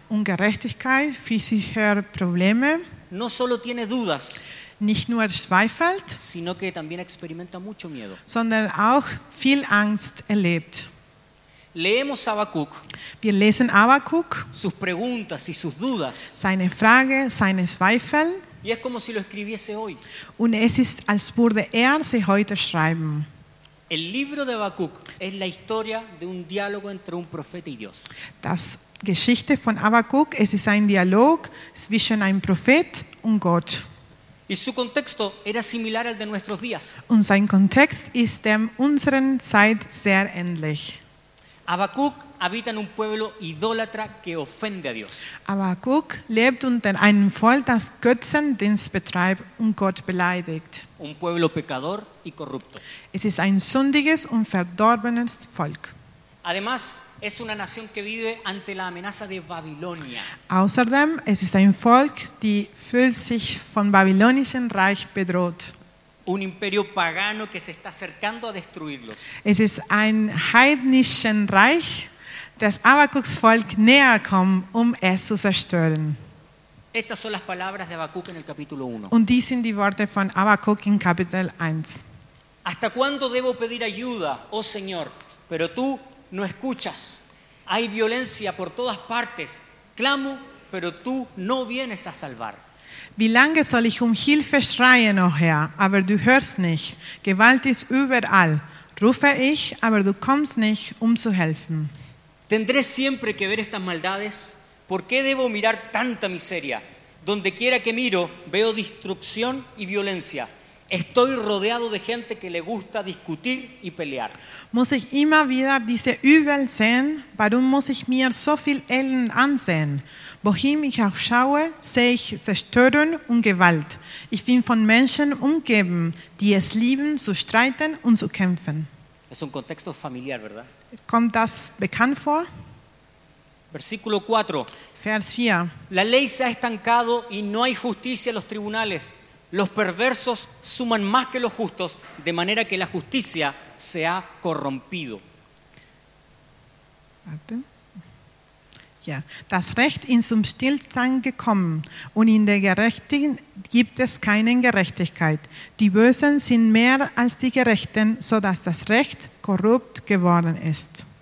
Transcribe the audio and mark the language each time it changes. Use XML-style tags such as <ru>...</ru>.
<de>Ungerechtigkeit, physische Probleme,</de> <es>no solo tiene dudas,</es> <de>nicht nur zweifelt,</de> <es>sino que también experimenta mucho miedo,</es> <de>sondern auch viel Angst erlebt.</de> <es>Leemos Habacuc.</es> <de>Wir lesen Habacuc.</de> <es>Sus preguntas y sus dudas.</es> <de>Seine Frage, seine Zweifel.</de> <es>Y es como si lo escribiese hoy.</es> <de>Und es ist, als würde sie heute schreiben.</de> <es>El libro de Habacuc es la historia de un diálogo entre un profeta y Dios.</es> <de>Das Geschichte von Habacuc, es ist ein Dialog zwischen einem Prophet und Gott.</de> <es>Y su contexto era similar al de nuestros días.</es> <de>Und sein Kontext ist dem unseren Zeit sehr ähnlich.</de> <es>Habacuc habita en un pueblo idólatra que ofende a Dios.</es> <de>Habacuc lebt unter einem Volk, das Götzendienst betreibt und Gott beleidigt.</de> <es>Un pueblo pecador y corrupto.</es> <de>Es ist ein sündiges und verdorbenes Volk.</de> <es>Además, es una nación que vive ante la amenaza de Babilonia.</es> <de>Außerdem, es ist ein Volk, die fühlt sich vom babylonischen Reich bedroht.</de> <es>Un imperio pagano que se está acercando a destruirlos.</es> <de>Es ist ein heidnisches Reich, das Habacucs Volk näher kommt, es zu zerstören.</de> <es>Estas son las palabras de Habacuc en el capítulo 1.</es> <de>Und dies sind die Worte von Habacuc in Kapitel 1.</de> <es>¿Hasta cuándo debo pedir ayuda, oh Señor? Pero tú no escuchas. Hay violencia por todas partes. Clamo, pero tú no vienes a salvar.</es> <de>Wie lange soll ich um Hilfe schreien, o Herr, aber du hörst nicht? Gewalt ist überall. Rufe ich, aber du kommst nicht, zu helfen.</de> <es>Tendré siempre que ver estas maldades. ¿Por qué debo mirar tanta miseria? Donde quiera que miro, veo destrucción y violencia. Estoy rodeado de gente que le gusta discutir y pelear.</es> <de>Muss ich immer wieder diese Übel sehen? Warum muss ich mir so viel Elend ansehen? Wohin ich auch schaue, sehe ich Zerstörung und Gewalt. Ich bin von Menschen umgeben, die es lieben, zu streiten und zu kämpfen.</de> <es>Es un contexto familiar, ¿verdad?</es> <de>Kommt das bekannt vor?</de> <es>Versículo 4.</es> <de>Vers 4.</de> <es>La ley se ha estancado y no hay justicia en los tribunales. Los perversos suman más que los justos, de manera que la justicia se ha corrompido.</es> <de>Warte. Ja, das Recht ist zum Stillstand gekommen und in der Gerechten gibt es keine Gerechtigkeit. Die Bösen sind mehr als die Gerechten, sodass das Recht korrupt geworden ist.</de>